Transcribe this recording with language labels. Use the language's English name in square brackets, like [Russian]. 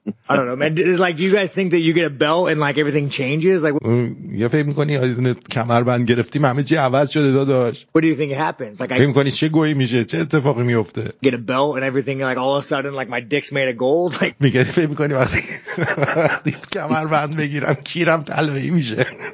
[English] I don't know, man. It's like you guys think that you get a belt and like everything changes. Like. [Persian] یه فکر میکنی از این کمربند گرفتی همه چی عوض شده داداش. [English] What do you think happens? Like. [Persian] فکر میکنی چه گویی میشه؟ چه اتفاقی میفته؟ [English] Get a belt and everything like all of a sudden like my dick's made of gold. Like. [Persian] میگه فکر میکنی وقتی کمربند بگیرم کیرم طلایی میشه.